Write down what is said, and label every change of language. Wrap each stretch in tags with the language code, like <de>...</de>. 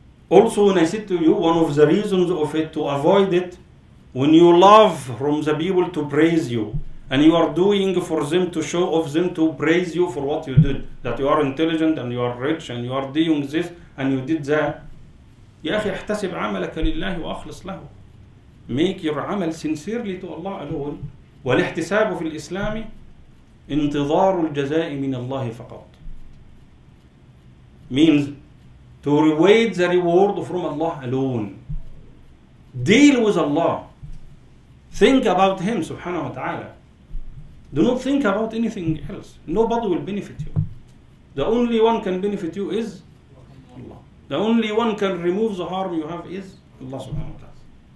<en>Also, when I said to you, one of the reasons of it to avoid it, when you love from the people to praise you, and you are doing for them to show off them to praise you for what you did, that you are intelligent and you are rich and you are doing this and you did that.</en> <ar>يا أخي احتسب عملك لله وأخلص له.</ar> <en>Make your عمل sincerely to Allah alone.</en> <ar>والاحتساب في الإسلام انتظار الجزاء من الله فقط.</ar> <en>Means to await the reward from Allah alone. Deal with Allah. Think about Him</en> <ar>سبحانه وتعالى.</ar> <en>Do not think about anything else. Nobody will benefit you. The only one can benefit you is Allah. The only one can remove the harm you have is Allah</en> <ar>subhanahu wa ta'ala.</ar>